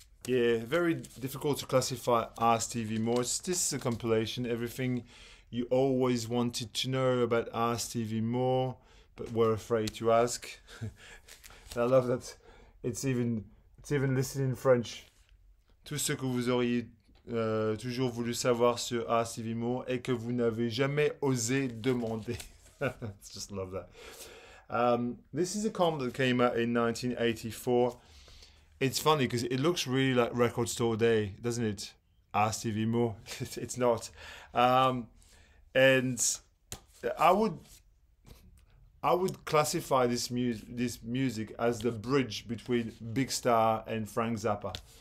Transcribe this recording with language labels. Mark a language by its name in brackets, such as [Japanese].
[English] Very difficult to classify R. Stevie Moore. This is a compilation, everything you always wanted to know about R. Stevie Moore, but were afraid to ask. I love that it's even listed in French. [French] Tout ce que vous auriez toujours voulu savoir sur R. Stevie Moore et que vous n'avez jamais osé demander. [English] Just love that. This is a comp that came out in 1984. It's funny because it looks really like Record Store Day, doesn't it? R. Stevie Moore. It's not. And I would classify this music as the bridge between Big Star and Frank Zappa.